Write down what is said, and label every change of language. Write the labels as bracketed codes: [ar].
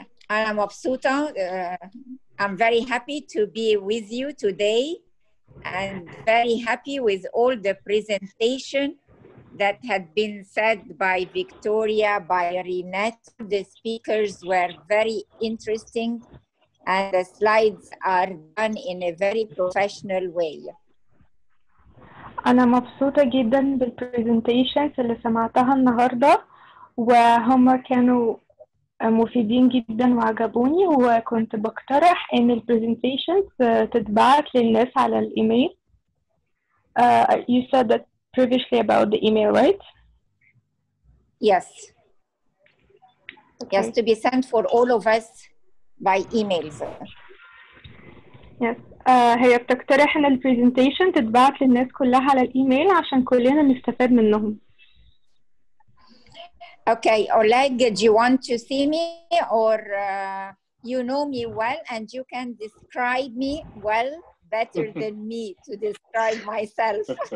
[ar] انا مبسوطه [en] I'm very happy to be with you today and very happy with all the presentation that had been said by Victoria, by Renat. The speakers were very interesting and the slides are done in a very professional way. [ar] أنا مبسوطة جدا بالpresentations اللي سمعتها النهاردة وهم كانوا مفيدين جدا وعجبوني وكنت بقترح إن presentations تتبعت للناس على الإيميل. [en] You said that previously about the email, right? Yes. Okay. Yes, to be sent for all of us by emails. Yes. [ar] هي بتقترح ان البرزنتيشن تتبعت للناس كلها على الايميل عشان كلنا نستفاد منهم. Okay, Oleg, do you want to see me or you know me well and you can describe me well better than me to describe myself.